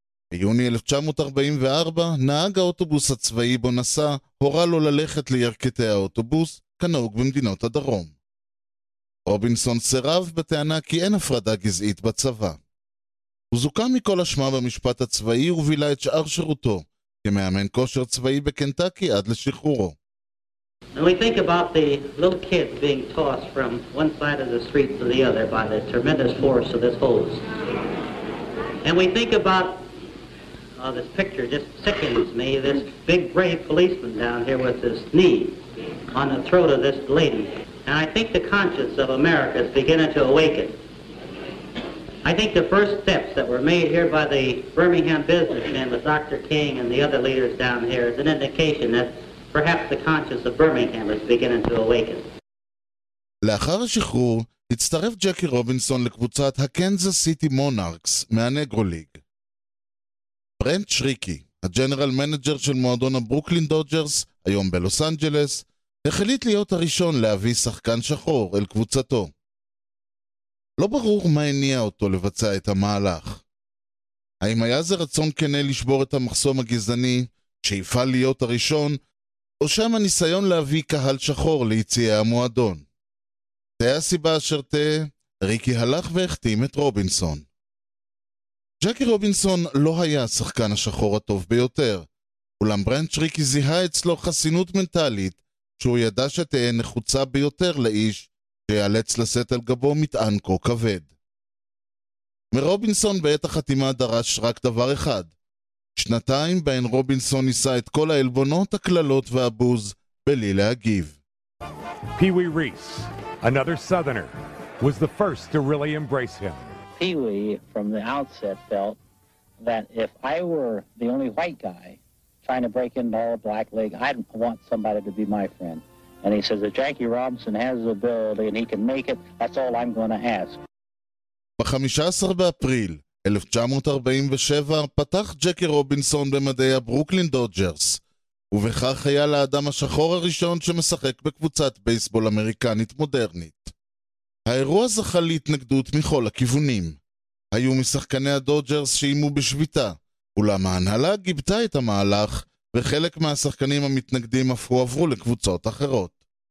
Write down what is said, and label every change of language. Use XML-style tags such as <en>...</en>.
<he>ביוני 1944 נהג האוטובוס הצבאי בו נסע הורה לו ללכת לירכתי האוטובוס, כנהוג במדינות הדרום. רובינסון סירב בטענה כי אין הפרדה גזעית בצבא. הוא זוכה מכל אשמה במשפט הצבאי ובילה את שאר שירותו כמאמן כושר צבאי בקנטקי עד לשחרורו.</he> <en>And we think about the little kid being tossed from one side of the street to the other by the tremendous force of this hose. And we think about this picture just sickens me, this big brave policeman down here with his knee on the throat of this lady. And I think the conscience of America is beginning to awaken. I think the first steps that were made here by the Birmingham businessmen with Dr. King and the other leaders down here is an indication that perhaps the conscience of Birmingham is beginning to awaken.</en> <he>לאחר השחרור, הצטרף ג'קי רובינסון לקבוצת הקנזס סיטי מונארקס מהנגרו ליג. ברנט שריקי, הג'נרל מנג'ר של מועדון הברוקלין דודג'רס, היום בלוס אנג'לס, החליט להיות הראשון להביא שחקן שחור אל קבוצתו. לא ברור מה הניע אותו לבצע את המהלך. האם היה זה רצון כנה לשבור את המחסום הגזעני, שאיפה להיות הראשון, או שם הניסיון להביא קהל שחור ליציאי המועדון? תהיה הסיבה אשר תהיה, ריקי הלך והחתים את רובינסון. ג'קי רובינסון לא היה השחקן השחור הטוב ביותר, אולם ברנט שריקי זיהה אצלו חסינות מנטלית, שהוא ידע שתהיה נחוצה ביותר לאיש שיאלץ לשאת על גבו מטען כה כבד. מרובינסון בעת החתימה דרש רק דבר אחד, שנתיים בהן רובינסון ניסה את כל העלבונות, הקללות והבוז בלי להגיב.</he> <en>פיווי ריס, another southerner, was the first to really embrace him. Pee-wee, from the outset, felt that if I were the only white guy trying to break into all black league, I'd want somebody to be my friend. And he says, if Jackie Robinson has the ability and he can make it, that's all I'm going to ask.</en> <he>ב-15 באפריל 1947 פתח ג'קי רובינסון במדעי הברוקלין דודג'רס, ובכך היה לאדם השחור הראשון שמשחק בקבוצת בייסבול אמריקנית מודרנית. האירוע זכה להתנגדות מכל הכיוונים. היו משחקני הדודג'רס שאימו בשביתה, אולם ההנהלה גיבתה את המהלך, וחלק מהשחקנים המתנגדים אף הועברו לקבוצות אחרות.</he>